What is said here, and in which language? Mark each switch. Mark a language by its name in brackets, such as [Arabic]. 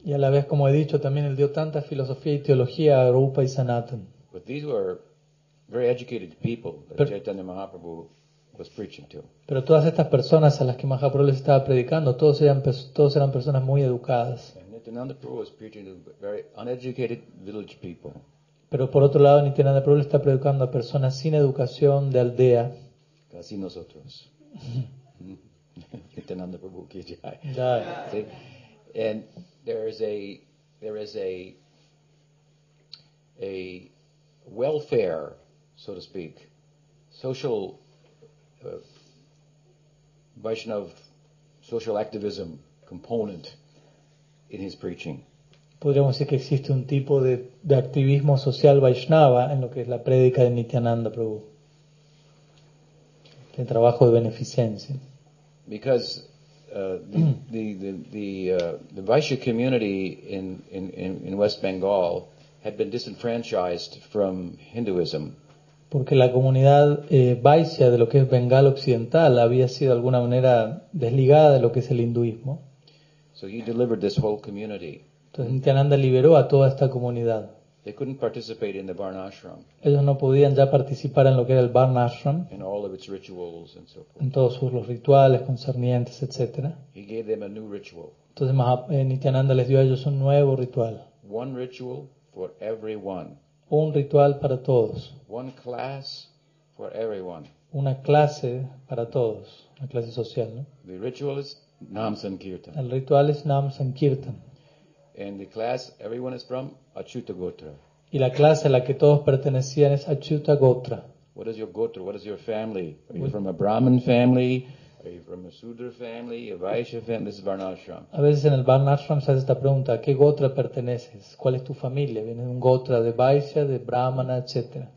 [Spanish] Y a la vez, como he dicho, también él dio tanta filosofía y teología a Rupa y Sanatan. [English] But these were very educated people that Chaitanya Mahaprabhu was preaching to. [Spanish] Pero todas estas personas a las que Mahaprabhu les estaba predicando, todos eran personas muy educadas. [English] And Nityananda Prabhu was preaching to very uneducated village people. [Spanish] Pero por otro lado, Nityananda Prabhu le está predicando a personas sin educación de aldea. Casi nosotros. Nityananda Prabhu ki jai. Jai. [English] See? And there is a welfare, so to speak, social Vaishnav social activism component in his preaching. [Spanish] Podríamos decir que existe un tipo de activismo social Vaishnava en lo que es la prédica de Nityananda Prabhu. El trabajo de beneficencia. [English] Because the Vaishya community in West Bengal had been disenfranchised from Hinduism. [Spanish] Porque la comunidad Vaishya de lo que es Bengal Occidental había sido de alguna manera desligada de lo que es el hinduismo. [English] So he delivered this whole community. [Spanish] Entonces Nityananda liberó a toda esta comunidad. [English] They couldn't participate in the Varnashram. [Spanish] Ellos no podían ya participar en lo que era el Varnashram. [English] In all of its rituals and so forth. [Spanish] En todos sus rituales concernientes, etc. [English] He gave them a new ritual. [Spanish] Entonces Nityananda les dio a ellos un nuevo ritual. [English] One ritual for everyone. [Spanish] Un ritual para todos. [English] One class for everyone. [Spanish] Una clase para todos. Una clase social, ¿no? [English] The ritual is Nam Sankirtan. [Spanish] El ritual es Nam Sankirtan. [English] And the class everyone is from Achyuta Gotra. [Spanish] Y la clase a la que todos pertenecían es Achyuta Gotra. [English] What is your Gotra? What is your family? Are you from a Brahmin family? Are you from a Sudra family? A Vaishya family? This is Varnashram. [Spanish] A veces en el Varnashram se hace esta pregunta: ¿a qué Gotra perteneces? ¿Cuál es tu familia? ¿Vienes de un Gotra de Vaishya, de Brahmana, etcétera?